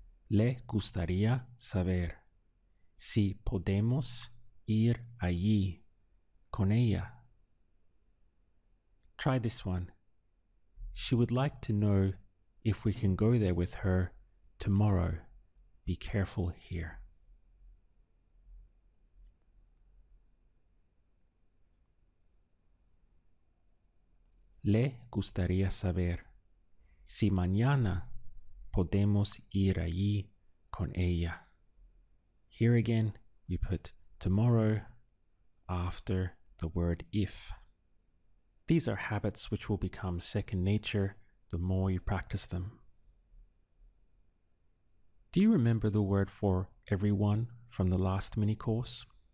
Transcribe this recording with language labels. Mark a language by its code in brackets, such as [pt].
[es] Le gustaría saber si podemos ir allí con ella. [en] Try this one. She would like to know if we can go there with her tomorrow. Be careful here. [es] Le gustaría saber si mañana podemos ir allí con ella. [en] Here again, we put tomorrow after the word if. These are habits which will become second nature the more you practice them. Do you remember the word for everyone from the last mini course?